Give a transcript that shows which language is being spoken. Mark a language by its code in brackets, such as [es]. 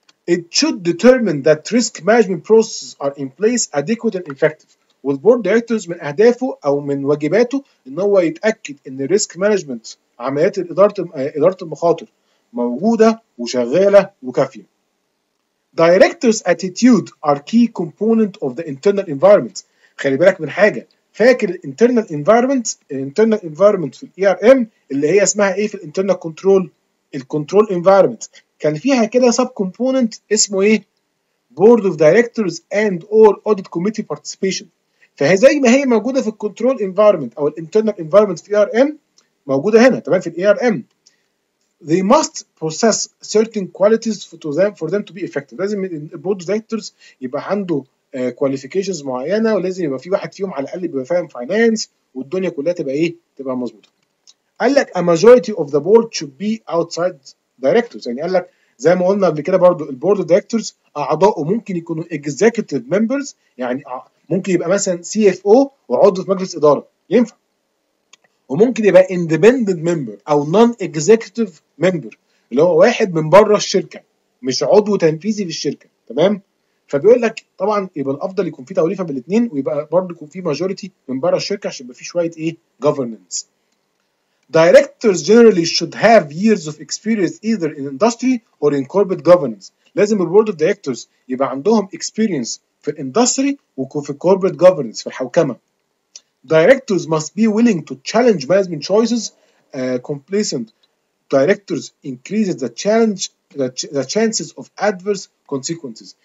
[en] It should determine that risk management processes are in place adequate and effective. [ar] والبورد دايركتورز من اهدافه او من واجباته ان هو يتاكد ان الريسك مانجمنت، عمليات اداره المخاطر موجوده وشغاله وكافيه. [en] Directors attitude are key component of the internal environment. [ar] خلي بالك من حاجه، فاكر الانترنال انفايرمنت، الانترنال انفايرمنت في الاي ار ام اللي هي اسمها ايه في الانترنال كنترول؟ الكنترول انفايرمنت. كان فيها كده سب كومبوننت اسمه ايه؟ [en] Board of directors and or audit committee participation. [ar] فزي ما هي موجوده في الكنترول انفايرمنت او الانترنال انفايرمنت في ار ام موجوده هنا تمام في الاي ار ام. [en] They must possess certain qualities for them to be effective. [ar] لازم البورد دايركتورز يبقى عنده كواليفيكيشنز معينه، ولازم يبقى في واحد فيهم على الاقل بيبقى فاهم فاينانس، والدنيا كلها تبقى ايه؟ تبقى مظبوطه. قال لك [en] a majority of the board should be outside directors. [ar] يعني قال لك زي ما قلنا قبل كده برضو البورد دايركتورز اعضائه ممكن يكونوا executive members، يعني ممكن يبقى مثلا سي اف او وعضو في مجلس اداره ينفع، وممكن يبقى independent member او non-executive member اللي هو واحد من بره الشركه مش عضو تنفيذي في الشركه تمام. فبيقول لك طبعا يبقى الافضل يكون في توليفه بالاثنين، ويبقى برضه يكون في majority من بره الشركه عشان يبقى في شويه ايه governance. [en] Directors generally should have years of experience either in industry or in corporate governance. [ar] لازم البورد اوف دايركتورز يبقى عندهم experience في الاندستري وفي corporate governance في الحوكمه. [en] Directors must be willing to challenge management choices. Complacent directors increases the challenge, the chances of adverse consequences.